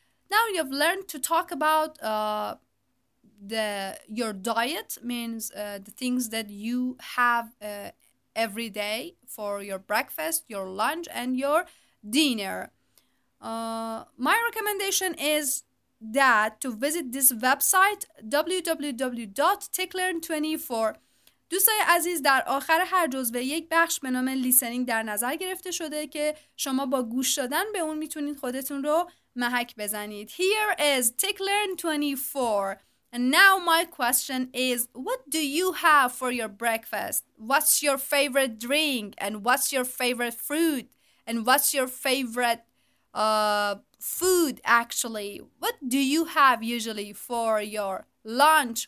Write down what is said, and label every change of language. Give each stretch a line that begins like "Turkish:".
English: Now you've learned to talk about your diet, means the things that you have every day for your breakfast, your lunch, and your dinner. My recommendation is that to visit this website, www.techlearn24.
Persian: دوستای عزیز، در آخر هر جزوه یک بخش به نام لیسنینگ در نظر گرفته شده که شما با گوش دادن به اون میتونید خودتون رو محک بزنید.
English: Here is TechLearn 24. And now my question is, what do you have for your breakfast? What's your favorite drink? And what's your favorite fruit? And what's your favorite food actually? What do you have usually for your lunch?